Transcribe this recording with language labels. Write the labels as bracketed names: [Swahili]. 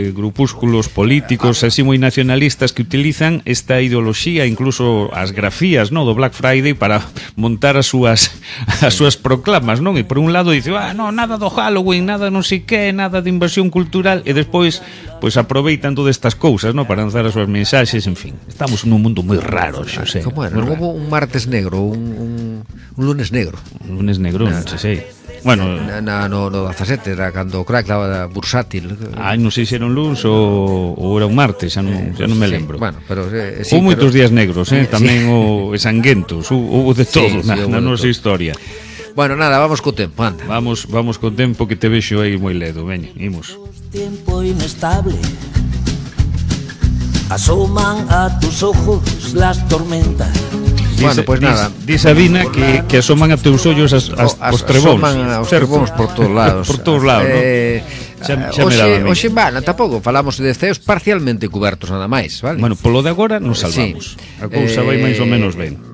[Galician] Grupúsculos políticos así moi nacionalistas que utilizan esta ideoloxía, incluso as grafías, non? Do Black Friday para montar as súas proclamas, non? E por un lado dice, nada do Halloween, nada non sei que nada de invasión cultural, e despois pois aproveitan todas estas cousas, non, para lanzar as súas mensaxes, en fin. Estamos nun mundo moi raro, Xosé. Como era? Como un martes negro, un lunes negro. Un lunes negro, non sei. Sí. Bueno, no 17 era cando o crack daba bursátil. Ai, non sei se era un luns ou era un martes, xa non me lembro. Sí, bueno, pero moitos días negros, tamén sí. O sanguentos, houve de todo na nosa historia. Bueno, nada, vamos co tempo, anda. Vamos co tempo que te vexo aí moi ledo, veña, imos. Tempo inestable. [Spanish] Asoman a tus ojos las tormentas. Bueno, pues nada. [Galician] Dice Sabina que [Spanish] asoman a tus ojos [Galician] os trebóns. Asoman os trebóns por todos lados. Por todos lados, ¿no? Oxe, tampouco falamos de ceos parcialmente cubertos nada máis, ¿vale? Bueno, polo de agora nos salvamos. Sí. A cousa vai máis ou menos ben.